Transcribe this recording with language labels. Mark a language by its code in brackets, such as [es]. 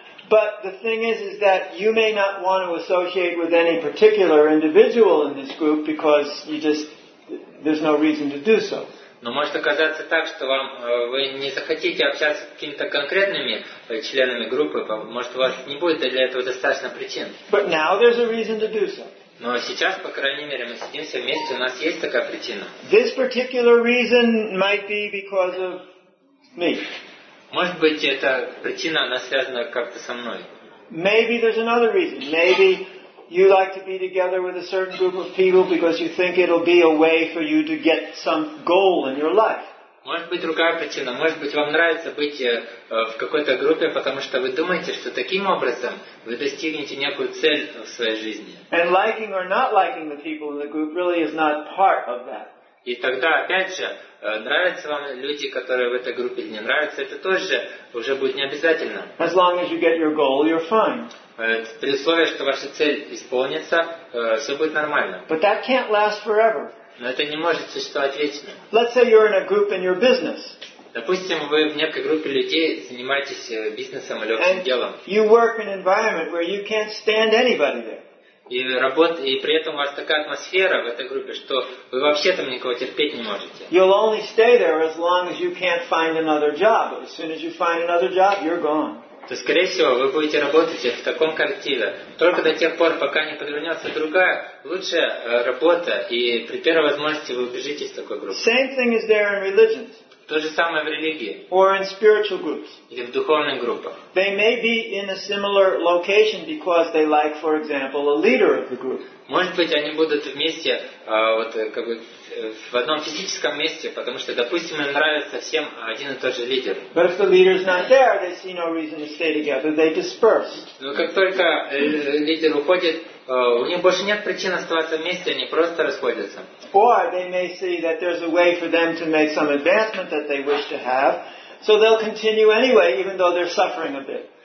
[en] But the thing is that you may not want to associate with any particular individual in this group because you just there's no reason to do so. [ru] Но может оказаться так, что вам вы не захотите общаться с какими-то конкретными членами группы, может у вас не будет для этого достаточно причин. [en] But now there's a reason to do so. [ru] Но сейчас, по крайней мере, мы сидим все вместе, у нас есть такая причина. [en] This particular reason might be because of me. [ru] Может быть, эта причина, она связана как-то со мной. [en] Maybe there's another reason. Maybe you like to be together with a certain group of people because you think it'll be a way for you to get some goal in your life. [ru] Может быть, другая причина. Может быть, вам нравится быть в какой-то группе, потому что вы думаете, что таким образом вы достигнете некую цель в своей жизни. [en] And liking or not liking the people in the group really is not part of that. [ru] И тогда, опять же, нравятся вам люди, которые в этой группе, не нравятся, это тоже уже будет не обязательно. [en] As long as you get your goal, you're fine. [ru] При условии, что ваша цель исполнится, все будет нормально. [en] But that can't last forever. [ru] Но это не может существовать вечно. [en] Let's say you're in a group in your business. [ru] Допустим, вы в некой группе людей занимаетесь бизнесом или общим делом. [en] You work in an environment where you can't stand anybody there. [ru] И при этом у вас такая атмосфера в этой группе, что вы вообще там никого терпеть не можете. [en] You'll only stay there as long as you can't find another job. As soon as you find another job, you're gone. [ru] То, скорее всего, вы будете работать в таком коллективе только до тех пор, пока не подвернется другая, лучшая работа, и при первой возможности вы убежите из такой группы. [en] Same thing is there in religions. [ru] То же самое в религии. [en] Or in spiritual groups. [ru] Или в духовных группах. [en] They may be in a similar location because they like, for example, a leader of the group. [ru] Может быть, они будут вместе, в одном физическом месте, потому что, допустим, им нравится всем один и тот же лидер. [en] But if the leader's not there, they see no reason to stay together. They disperse. [ru] Но как только лидер уходит, у них больше нет причин оставаться вместе, они просто расходятся. [en] Or they may see that there's a way for them to make some advancement that they wish to have, so they'll continue anyway, even though they're suffering a bit.